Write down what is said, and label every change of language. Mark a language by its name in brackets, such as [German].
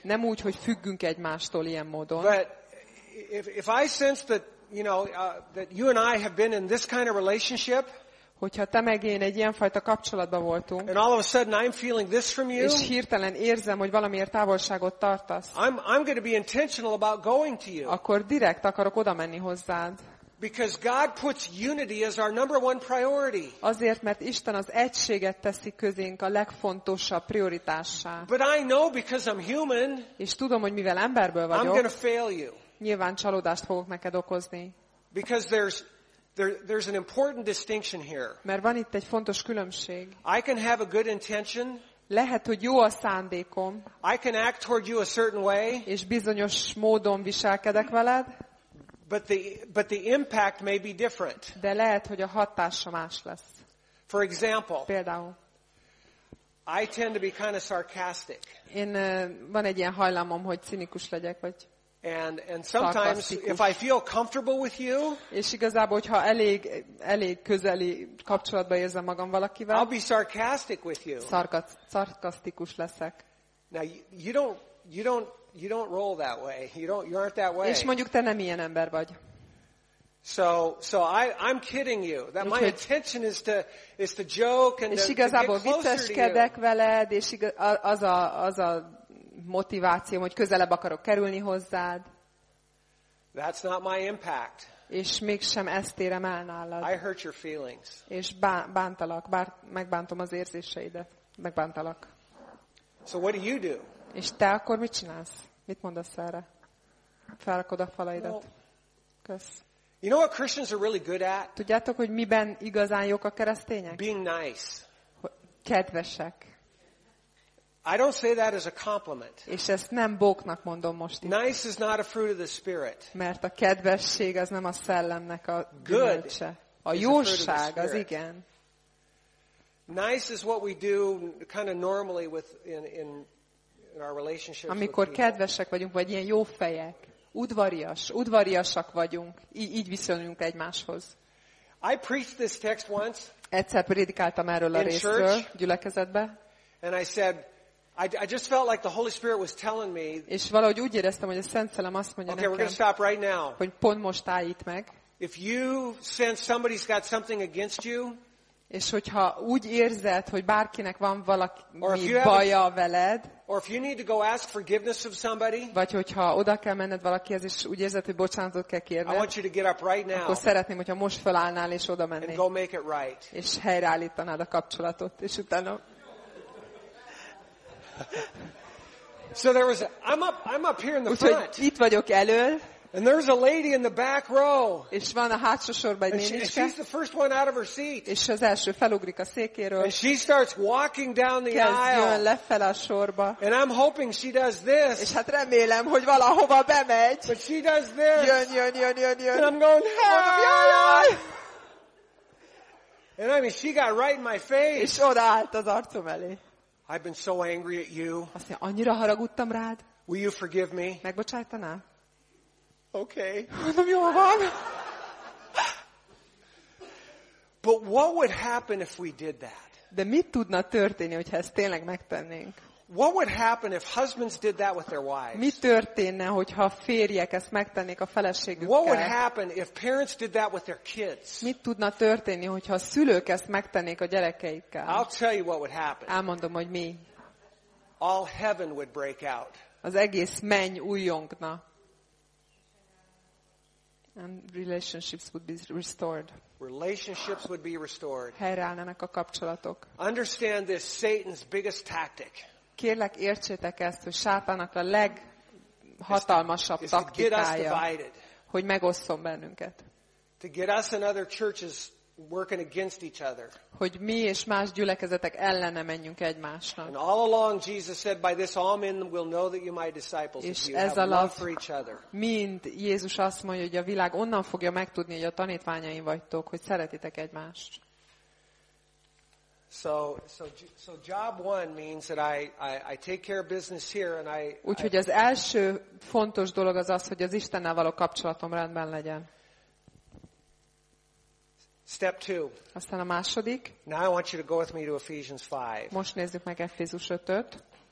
[Hungarian] nem úgy, hogy függünk egymástól ilyen módon. [English] But if I sense that, you know, that you and I have been in this kind of relationship, [Hungarian] hogyha te meg én egy ilyen fajta kapcsolatban voltunk, [English] and all of a sudden I'm feeling this from you, [Hungarian] és hirtelen érzem, hogy valamiért távolságot tartasz, [English] I'm going to be intentional about going to you. [Hungarian] Akkor direkt akarok oda menni hozzád. [English] Because God puts unity as our number one priority. [Hungarian] Azért, mert Isten az egységet teszi közénk a legfontosabb prioritássá. [English] But I know because I'm human. [Hungarian] És tudom, hogy mivel emberből vagyok. [English] I'm going to fail you. [Hungarian] Nyilván csalódást fogok neked okozni. [English] Because there's an important distinction here. [Hungarian] Mert van itt egy fontos különbség. [English] I can have a good intention. [Hungarian] Lehet, hogy jó a szándékom. [English] I can act toward you a certain way. [Hungarian] És bizonyos módon viselkedek veled. [English] But the impact may be different. [Hungarian] De lehet, hogy a hatása más lesz. [English] For example, [Hungarian] például, [English] I tend to be kind of sarcastic. [Hungarian] Én van egy ilyen hajlamom, hogy cinikus legyek, vagy [English] and sometimes if I feel comfortable with you, [Hungarian] és igazából, hogyha elég közeli kapcsolatban érzem magam valakivel, [English] I'll be sarcastic with you. [Hungarian] Szarkasztikus leszek. [English] Now you don't roll that way. You aren't that way. [Hungarian] És mondjuk te nem ilyen ember vagy. [English] So I'm kidding you. That my intention is to joke and to get closer. [Hungarian] És igazából vicceskedek veled, és az a motivációm, hogy közelebb akarok kerülni hozzád. [English] That's not my impact. [Hungarian] És mégsem ezt érem el nálad. [English] I hurt your feelings. [Hungarian] És bántalak, megbántom az érzéseidet, megbántalak. [English] So what do you do? [Hungarian] És te akkor mit csinálsz? Mit mondasz erre? Felrakod a falaidat. Kösz. [English] You know what Christians are really good at? [Hungarian] Tudjátok, hogy miben igazán jók a keresztények? [English] Being nice. [Hungarian] Kedvesek. [English] I don't say that as a compliment. [Hungarian] És ezt nem bóknak mondom most itt. [English] Nice is not a fruit of the spirit. [Hungarian] Mert a kedvesség az nem a szellemnek a gyümölcse. A jóság az igen. [English] Nice is what we do kind of normally with in our relationships. [Hungarian] Amikor kedvesek vagyunk, vagy ilyen jó fejek, udvariasak vagyunk, így viszonyunk egymáshoz. [English] I preached this text once. [Hungarian] Egyszer prédikáltam erről a részről gyülekezetbe. [English] And I said, I just felt like the Holy Spirit was telling me. [Hungarian] És valahogy úgy éreztem, hogy a Szent Szellem azt mondja nekem. [English] Okay, we're going to stop right now. [Hungarian] Hogy pont most állj itt meg. [English] If you sense somebody's got something against you. [Hungarian] És hogyha úgy érzed, hogy bárkinek van valaki baja veled, [English] or if you need to go ask forgiveness of somebody, [Hungarian] vagy hogyha oda kell menned valakihez, és úgy érzed, hogy bocsánatot kell kérned, [English] I want you to get up right now, [Hungarian] akkor szeretném, hogyha most felállnál és oda mennél, [English] and go make it right, [Hungarian] és helyreállítanád a kapcsolatot, és utána. [English] So there was I'm up here in the [Hungarian] úgyhogy [English] front. [Hungarian] Itt vagyok elől. [English] And there's a lady in the back row. [Hungarian] És van a hátsó sorban egy néniske. [English] She's the first one out of her seat. [Hungarian] És az első felugrik a székéről. [English] And she starts walking down the aisle. [Hungarian] Kezd jön lefelé a sorba. [English] And I'm hoping she does this. [Hungarian] És hát remélem, hogy valahova bemegy. [English] But she does this. [Hungarian] Jön. [English] And I'm going, hey! And I mean, she got right in my face. [Hungarian] És odaállt az arcom elé. [English] I've been so angry at you. [Hungarian] Azt mondja, annyira haragudtam rád. [English] Will you forgive me? [Hungarian] Megbocsájtanál? [English] Okay. [Hungarian] Van. [English] But what would happen if we did that? [Hungarian] De mit tudna történni, hogyha ezt tényleg megtennénk? [English] What would happen if husbands did that with their wives? [Hungarian] Mi történne, hogyha férjek ezt megtennék a feleségükkel? [English] What would happen if parents did that with their kids? [Hungarian] Mit tudna történni, hogyha a szülők ezt megtennék a gyerekeikkel? [English] I'll tell you what would happen. [Hungarian] Elmondom, hogy mi. [English] All heaven would break out. [Hungarian] Az egész menny újjongna. [English] And relationships would be restored. Relationships would be restored. [Hungarian] Helyreállnának a kapcsolatok. [English] Understand this, Satan's biggest tactic. [Hungarian] Kérlek, értsétek ezt, hogy Sátának a leghatalmasabb taktikája, hogy megosszon bennünket. [English] to get us and other churches working against each other. [Hungarian] Hogy mi és más gyülekezetek ellene menjünk egymásnak. [English] And all along Jesus said, by this all men will know that you're my disciples if you have love for each other. [Hungarian] Mind Jézus azt mondja, hogy a világ onnan fogja megtudni, hogy a tanítványaim vagytok, hogy szeretitek egymást. [English] So job one means that I take care of business here and I. [Hungarian] Úgyhogy az első fontos dolog az az, hogy az Istennel való kapcsolatom rendben legyen. [English] Step two. [Hungarian] Aztán a második. [English] Now I want you to go with me to Ephesians 5. [Hungarian] Most nézzük meg Efézus 5-öt.